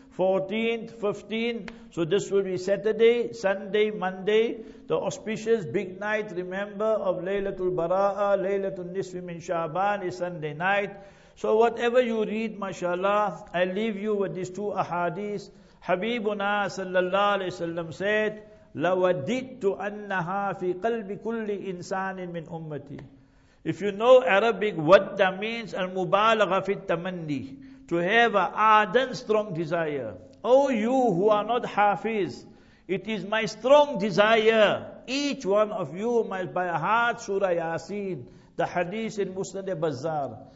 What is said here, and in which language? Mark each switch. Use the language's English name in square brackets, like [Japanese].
[English] 14th, 15th. So this will be Saturday, Sunday, Monday. The auspicious big night, remember, of Laylatul Bara'a, Laylatul Nisfi min Sha'ban is Sunday night. So whatever you read, mashallah, I leave you with these two ahadith. [Arabic] Habibuna sallallahu alayhi wa sallam said, لَوَدِدْتُ أَنَّهَا فِي قَلْبِ كُلِّ إِنسَانٍ مِّنْ أُمَّتِي. [English] If you know Arabic, wadda means al-mubalagha fi tamanni, to have an ardent strong desire. Oh, you who are not hafiz, it is my strong desire, each one of you must by heart Surah Yasin, the hadith in Musnad al-Bazzar.